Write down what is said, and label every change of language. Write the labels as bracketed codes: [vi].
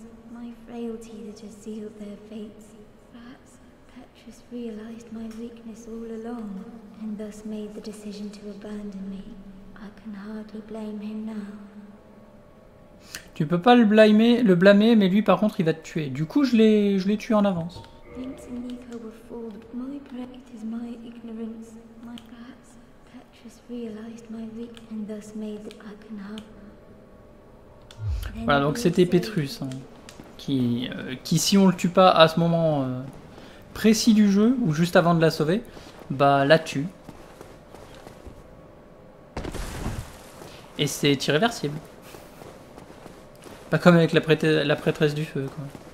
[en] My frailty that has sealed their fates. Perhaps Petrus realized my weakness all along, and thus made the decision to abandon me. I can hardly blame him now. [fr] Tu peux pas le blâmer, mais lui par contre il va te tuer. Du coup je l'ai tué en avance. [en] Vince and Nico were fooled, but my pride is my ignorance. My perhaps Petrus realized my weakness and thus made that I can hardly. [fr] Voilà, donc c'était Petrus, hein, qui si on le tue pas à ce moment précis du jeu, ou juste avant de la sauver, bah la tue. Et c'est irréversible. Pas comme avec la prêtresse du feu, quoi.